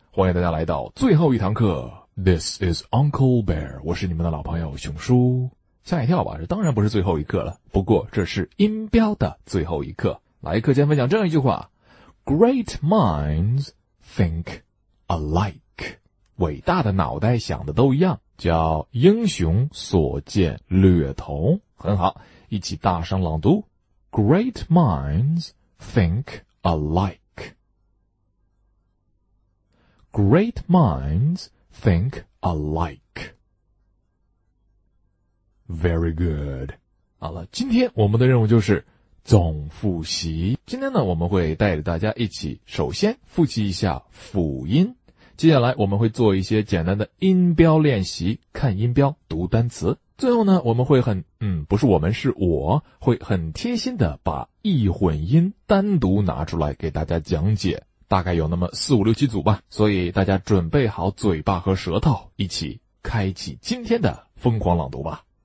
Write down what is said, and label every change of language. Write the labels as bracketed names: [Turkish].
[Chinese] 欢迎大家来到最后一堂课。 [English] This is Uncle Bear. [Chinese] 我是你们的老朋友熊叔。吓一跳吧，这当然不是最后一课了。不过这是音标的最后一课。来课间分享这样一句话。 [English] Great minds think alike. [Chinese] 伟大的脑袋想的都一样。叫英雄所见略同。很好，一起大声朗读。 [English] Great minds think alike. Great minds think alike. Very good. [Chinese] 好了，今天我们的任务就是总复习。今天呢，我们会带着大家一起首先复习一下辅音。接下来我们会做一些简单的音标练习，看音标，读单词。最后呢，我们会很不是我们，是我会很贴心的把异混音单独拿出来给大家讲解，大概有那么四五六七组吧，所以大家准备好嘴巴和舌头，一起开启今天的疯狂朗读吧。